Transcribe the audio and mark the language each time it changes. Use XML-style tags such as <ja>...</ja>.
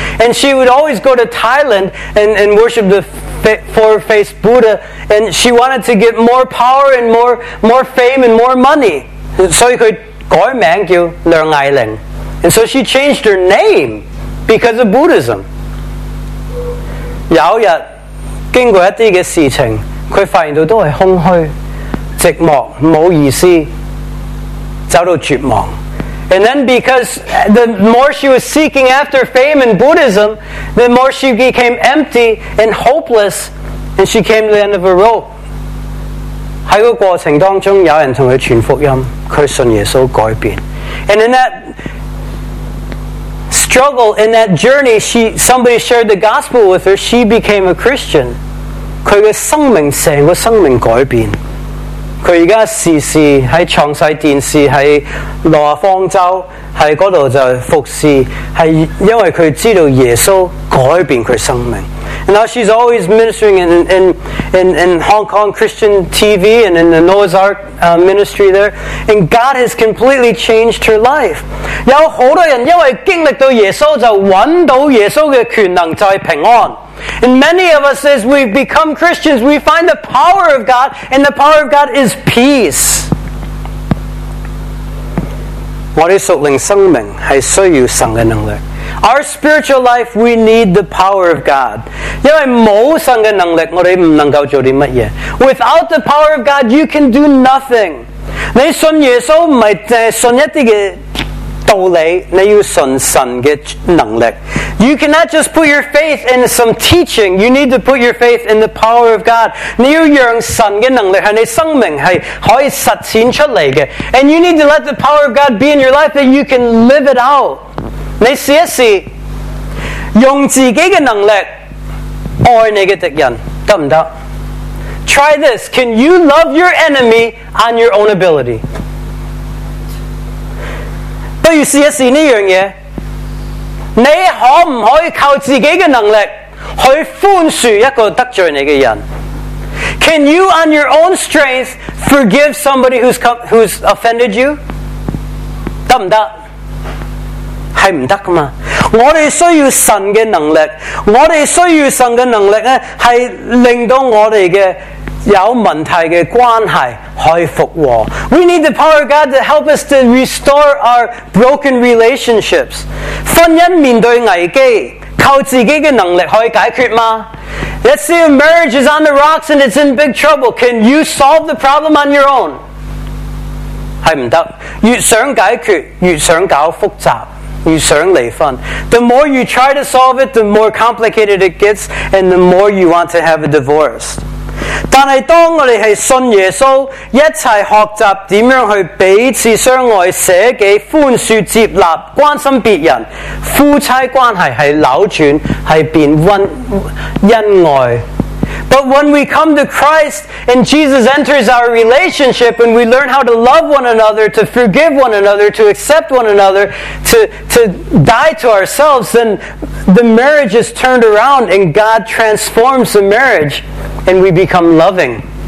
<en>And she would always go to Thailand and worship the four-faced Buddha, and she wanted to get more power and more fame and more money. So she</en> <yue>改名叫梁艾玲，</yue> <en>and so she changed her name because of Buddhism.</en> <yue>有一日经过一啲嘅事情，佢发现到都系空虚、寂寞、冇意思，走到绝望。</yue> <en>And then because the more she was seeking after fame in Buddhism, the more she became empty and hopeless, and she came to the end of her rope.</en> <yue>在个过程当中，有人同佢传福音，佢信耶稣改变。</yue> <en>And in that struggle, in that journey, somebody shared the gospel with her, she became a Christian.</en> <yue>佢嘅生命成个生命改变。佢而家时时喺创世电视喺罗方舟喺嗰度就服侍，系因为佢知道耶稣改变佢生命。</yue> <en>And now she's always ministering in Hong Kong Christian TV and in the Noah's Ark ministry there. And God has completely changed her life.</en> <yue>有好多人因为经历到耶稣就揾到耶稣嘅权能，就系平安。</yue> <en>And many of us, as we've become Christians, we find the power of God, and the power of God is peace.</en> <yue>我哋属灵生命系需要神嘅能力。</yue> <en>Our spiritual life, we need the power of God.</en> <yue>因为冇神嘅能力，我哋唔能够做啲乜嘢。</yue> <en>Without the power of God, you can do nothing.</en> <yue>你信耶稣唔系净系信一啲嘅道理，你要信神嘅能力。</yue> <en>You cannot just put your faith in some teaching. You need to put your faith in the power of God.</en> <yue>你要让神嘅能力喺你生命系可以实践出嚟嘅。</yue> <en>And you need to let the power of God be in your life that you can live it out.</en> <yue>你试一试，用自己嘅能力爱你嘅敌人，得唔得</yue> <en>？Try this. Can you love your enemy on your own ability?</en> <yue>不如试一试呢样嘢。你可唔可以靠自己嘅能力去宽恕一个得罪你嘅人</yue> <en>？Can you on your own strength forgive somebody who's offended you？</en> <yue>得唔得？系唔得噶嘛？我哋需要神嘅能力，我哋需要神嘅能力咧，系令到我哋嘅有问题嘅关系可以复和。</yue> <en>We need the power of God to help us to restore our broken relationships.</en> <yue>婚姻面对危机，靠自己嘅能力可以解决吗</yue> <en>？Let's say a marriage is on the rocks and it's in big trouble. Can you solve the problem on your own?</en> <yue>系唔得，越想解决，越想搞复杂。You 想离婚</yue> <en>The more you try to solve it, the more complicated it gets, and the more you want to have a divorce.</en> <yue>但系当我哋系信耶稣，一齐学习点样去彼此相爱、舍己、宽恕、接纳、关心别人，夫妻关系系扭转，系变恩爱。</yue> <en>But when we come to Christ and Jesus enters our relationship and we learn how to love one another, to forgive one another, to accept one another, to die to ourselves, then the marriage is turned around and God transforms the marriage and we become loving.</en>